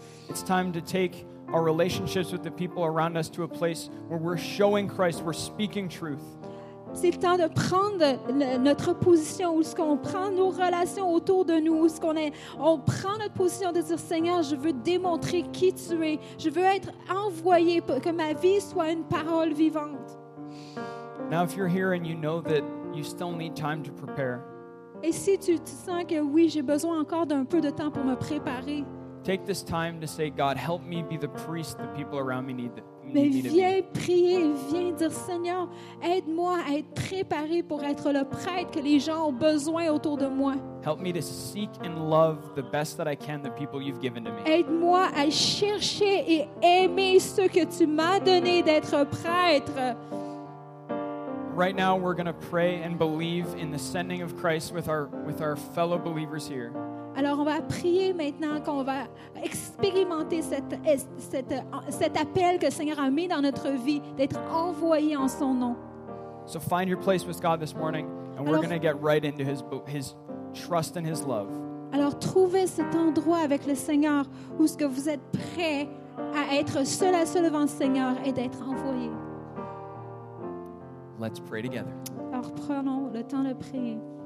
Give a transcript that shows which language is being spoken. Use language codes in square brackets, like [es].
[en] It's time to take our relationships with the people around us to a place where we're showing Christ, we're speaking truth. [fr] C'est le temps de prendre notre position où ce qu'on prend nos relations autour de nous, où ce qu'on est, on prend notre position de dire, Seigneur, je veux démontrer qui tu es. Je veux être envoyé pour que ma vie soit une parole vivante. [en] Now, if you're here and you know that you still need time to prepare, [fr] et si tu sens que oui, j'ai besoin encore d'un peu de temps pour me préparer, [en] take this time to say, God, help me be the priest the people around me need. [fr] Mais viens prier, viens dire, Seigneur, aide-moi à être préparé pour être le prêtre que les gens ont besoin autour de moi. [en] Help me to seek and love the best that I can the people you've given to me. [fr] Aide-moi à chercher et aimer ceux que tu m'as donné d'être prêtre. [en] Right now, we're going to pray and believe in the sending of Christ with our fellow believers here. [fr] Alors, on va prier maintenant qu'on va expérimenter cet appel que le Seigneur a mis dans notre vie d'être envoyé en son nom. [en] So find your place with God this morning, and alors, we're going to get right into his trust and his love. [fr] Alors, trouvez cet endroit avec le Seigneur où ce que vous êtes prêt à être seul à seul devant le Seigneur et d'être envoyé. [en] Let's pray together. [fr] Alors, prenons le temps de prier.